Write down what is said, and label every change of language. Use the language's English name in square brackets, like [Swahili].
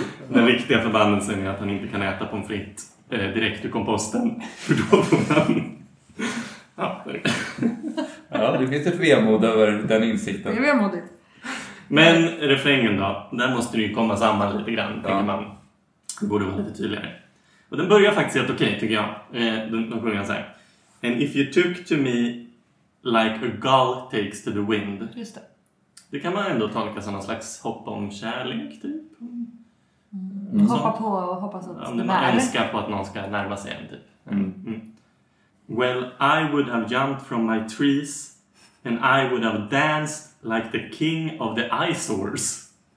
[Swedish] Den riktiga förbannelsen är att han inte kan äta pommes frites direkt ur komposten. För då får han... Ja, det finns ett vemod över den insikten. Det är vemodigt. Men refrängen då, där måste det ju komma samman lite grann, ja. Tänker man. Det borde vara lite tydligare. Och den börjar faktiskt helt okej, tycker jag. De sjunger han så här: [English] and if you took to me like a gull takes to the wind. [Swedish] Just det. Det kan man ändå tolka som någon slags hopp om kärlek, typ. Hoppa på och hoppas att det är. Man önskar på att någon ska närma sig en, typ. [English] Well, I would have jumped from my trees and I would have danced like the king of the ice horse.